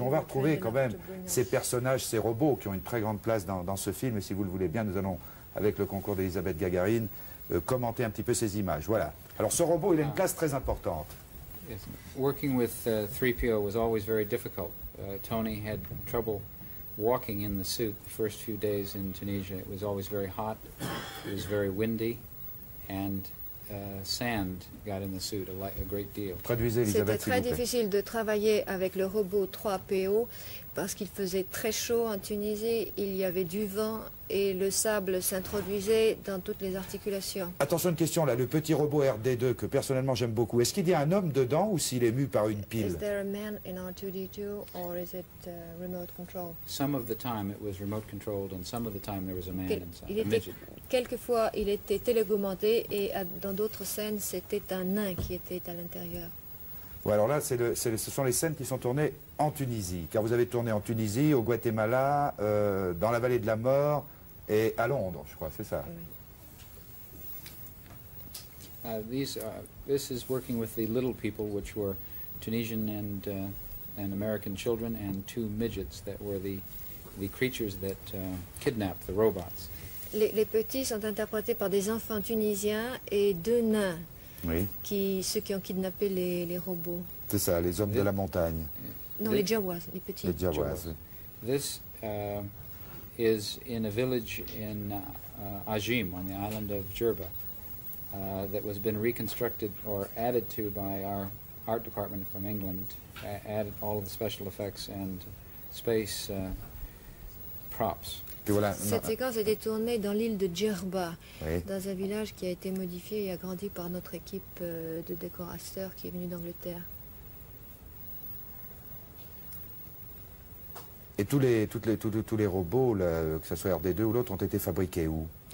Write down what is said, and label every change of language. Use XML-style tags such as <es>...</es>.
<fr>On va retrouver quand même ces personnages, ces robots qui ont une très grande place dans ce film. Et si vous le voulez bien, nous allons, avec le concours d'Elisabeth Gagarine, commenter un petit peu ces images. Voilà. Alors ce robot, il a une place très importante.</fr> <en>Working with 3PO was always very difficult. Tony had trouble walking in the suit the first few days in Tunisia. It was always very hot, it was very windy, and sand got in the suit a great deal.</en> <fr>C'était très difficile de travailler avec le robot 3PO parce qu'il faisait très chaud en Tunisie, il y avait du vent et le sable s'introduisait dans toutes les articulations. Attention, une question là, le petit robot RD2 que personnellement j'aime beaucoup, est-ce qu'il y a un homme dedans ou s'il est mu par une pile?</fr> <en>Is there a man in R2-D2 or is it remote control? Some of the time it was remote controlled and some of the time there was a man inside.</en> <fr>Quelquefois il était télécommandé et dans d'autres scènes c'était un nain qui était à l'intérieur. Ouais, alors là, ce sont les scènes qui sont tournées en Tunisie, car vous avez tourné en Tunisie, au Guatemala, dans la vallée de la mort et à Londres, je crois, c'est ça.</fr> <en>This is working with the little people, which were Tunisian and American children and two midgets that were the creatures that kidnapped the robots.</en> <fr>Les petits sont interprétés par des enfants tunisiens et deux nains. Oui. Ceux qui ont kidnappé les robots. C'est ça, les hommes de la montagne. Non, les Jawas, les petits. Les Jawas.</fr> <en>This is in a village in Ajim, on the island of Djerba. that was been reconstructed or added to by our art department from England, added all of the special effects and space props.</en> <fr>Voilà. Cette séquence a été tournée dans l'île de Djerba, oui. Dans un village qui a été modifié et agrandi par notre équipe de décorateurs qui est venue d'Angleterre. Et tous les robots, là, que ce soit RD2 ou l'autre, ont été fabriqués où?</fr>